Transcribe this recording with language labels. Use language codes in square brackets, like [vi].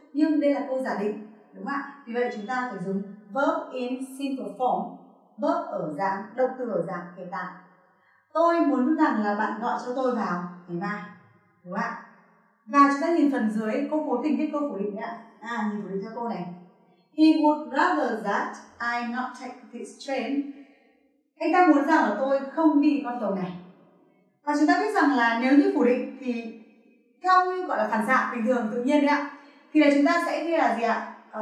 [vi] Nhưng đây là câu giả định, đúng không ạ? Vì vậy chúng ta phải dùng [en] verb in simple form, [vi] verb ở dạng, động từ ở dạng hiện tại. Tôi muốn rằng là bạn gọi cho tôi vào ngày mai, đúng không ạ? Và chúng ta nhìn phần dưới, cô cố tình viết câu phủ định nhé. À, nhìn phủ định cho cô này. [en] He would rather that I not take this train. [vi] Anh ta muốn rằng là tôi không đi con tàu này. Và chúng ta biết rằng là nếu như phủ định thì theo như gọi là phản xạ bình thường tự nhiên đấy ạ, thì là chúng ta sẽ ghi là gì ạ?